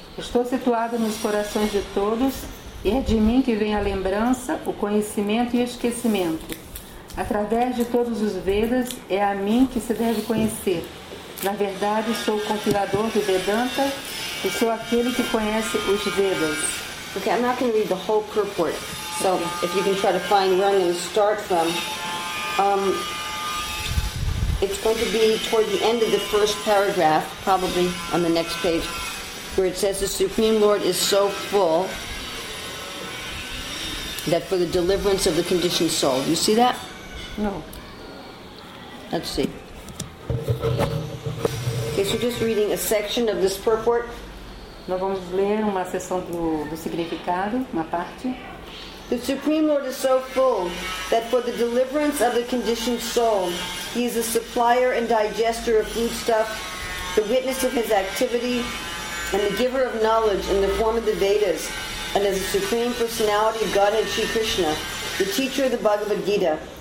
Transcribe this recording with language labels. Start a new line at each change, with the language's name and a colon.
Portuguese: Estou situado nos corações de todos, e é de mim que vem a lembrança, o conhecimento e o esquecimento. Através de todos os Vedas, é a mim que se deve conhecer. Na verdade, sou o compilador do Vedanta e sou aquele que conhece os Vedas.
English: Ok, I'm not going to read the whole purport. So, if you can try to find where I'm going to start from. It's going to be toward the end of the first paragraph, probably on the next page, where it says the Supreme Lord is so full that for the deliverance of the conditioned soul. Do you see that? No. Let's see. Okay, so you're just reading a section of this purport.
Portuguese: Nós vamos ler uma seção do significado, uma parte.
English: The Supreme Lord is so full that for the deliverance of the conditioned soul, he is a supplier and digester of foodstuff, the witness of his activity, and the giver of knowledge in the form of the Vedas, and as the Supreme Personality of Godhead Sri Krishna, the teacher of the Bhagavad Gita.